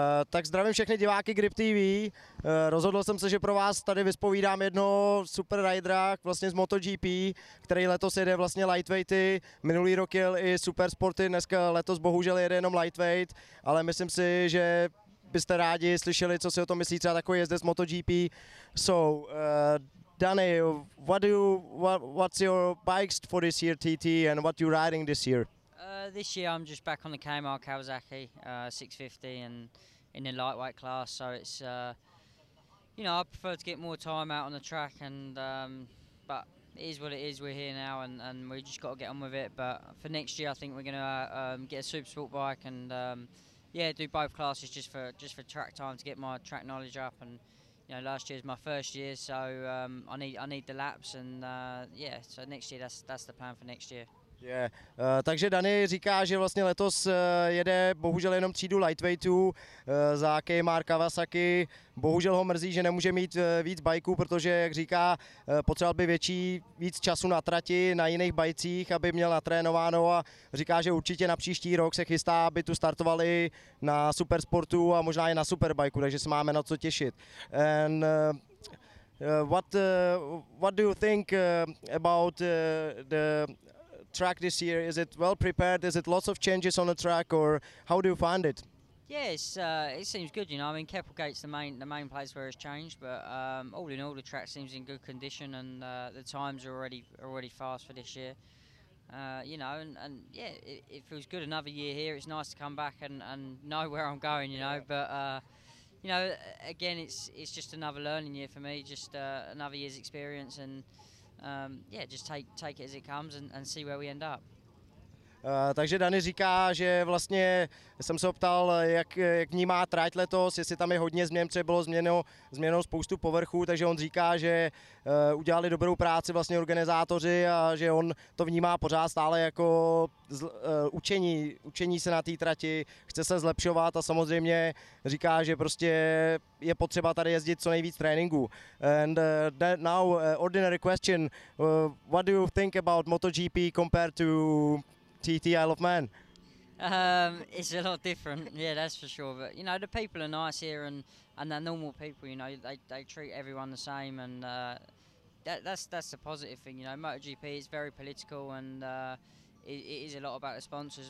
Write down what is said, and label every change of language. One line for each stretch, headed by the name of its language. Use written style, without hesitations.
Czech: Tak zdravím všechny diváky Grip TV. Rozhodl jsem se, že pro vás tady vyspovídám jedno super ridera vlastně z MotoGP, který letos jede vlastně lightweighty. Minulý rok jel i super sporty, dneska letos bohužel jede jenom lightweight, ale myslím si, že byste rádi slyšeli, co si o tom myslí třeba takový jezdec z MotoGP.
English: So, Danny, what's your bikes for this year TT and what you riding this year? This year I'm just back on the KMR Kawasaki 650 and in the lightweight class, so it's you know, I prefer to get more time out on the track, and but it is what it is. We're here now and we just got to get on with it. But for next year I think we're gonna get a super sport bike and yeah, do both classes just for track time to get my track knowledge up. And you know, last year is my first year, so I need the laps, and yeah, so next year that's the plan for next year. Yeah.
Czech: Takže Dani říká, že vlastně letos jede bohužel jenom třídu lightweightů za KMR Kawasaki. Bohužel ho mrzí, že nemůže mít víc bajků, protože, jak říká, potřeboval by víc času na trati, na jiných bajcích, aby měl natrénováno, a říká, že určitě na příští rok se chystá, aby tu startovali na supersportu a možná i na superbajku, takže se máme na co těšit.
English: And, what do you think about the track this year? Is it well prepared? Is it lots of changes on the track, or how do you find it? Yes, it seems good. You know, I mean, Keppelgate's the main place where it's changed, but all in all, the track seems in good condition, and the times are already fast for this year. You know, and yeah, it feels good. Another year here. It's nice to come back and know where I'm going. You know, yeah. But you know, again, it's just another learning year for me. Just another year's experience, and yeah, just take it as it comes and see where we end up.
Czech: Takže Dani říká, že vlastně jsem se optal, jak vnímá trať letos, jestli tam je hodně změn, protože bylo změněno spoustu povrchů, takže on říká, že udělali dobrou práci vlastně organizátoři a že on to vnímá pořád stále jako učení se na té trati, chce se zlepšovat, a samozřejmě říká, že prostě je potřeba tady jezdit co nejvíc tréninku.
English: And now ordinary question, what do you think about MotoGP compared to TT Isle of Man? It's a lot different, yeah, that's for sure. But you know, the people are nice here, and they're normal people. You know, they treat everyone the same, and that's a positive thing. You know, MotoGP is very political, and it is a lot about the sponsors.